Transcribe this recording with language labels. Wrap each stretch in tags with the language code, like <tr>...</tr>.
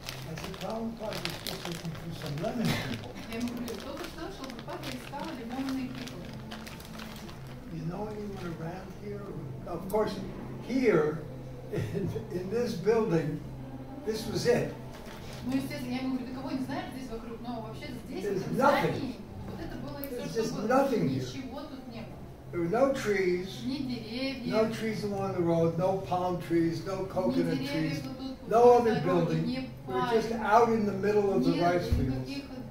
<en>I said, how about you still looking for some lemon people?</en> <ru>Я ему говорю, только что, что Прабхупада искал лимонные пиклы.</ru> <en>You know anyone around here? Of course, here, in this building, this was it.</en> <ru>Ну, естественно, я ему говорю, ты кого не знаешь здесь вокруг, но вообще здесь,</ru> <en>there's nothing.</en> <ru>Вот это было и все, что было.</ru> <en>Nothing here.</en> <ru>Ничего тут не было.</ru> <en>There were no trees, no trees along the road, no palm trees, no coconut trees, no other building. We're just out in the middle of the rice fields.</en>